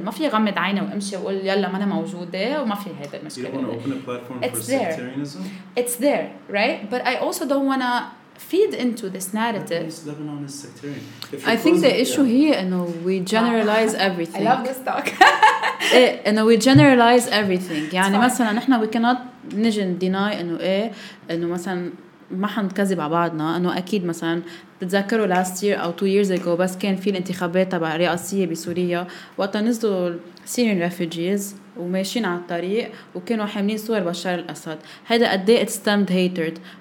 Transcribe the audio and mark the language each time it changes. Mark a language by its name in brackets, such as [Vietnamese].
[Arabic] ما في غمض عيني وامشي وقول يلا ما أنا موجودة وما في هذا المشكلة. [English] You don't wanna open a platform for sectarianism. It's there, right? But I also don't wanna feed into this narrative. That means Lebanon is sectarian. I think the issue here, you know, we generalize everything. I love this talk. And we generalize everything. [Arabic] يعني مثلا نحن [English] we cannot [Arabic] نجي deny إنه إيه إنه مثلا ما حنكذب على بعضنا إنه أكيد مثلا تتذكروا [English] last year [Arabic] أو [English] two years ago [Arabic] بس كان في الانتخابات تبع رئاسية بسوريا وقت نزلوا [English] Syrian refugees [Arabic] وماشيين على الطريق وكانوا حاملين صور بشار الأسد هذا قد إيه [English] stemmed hatred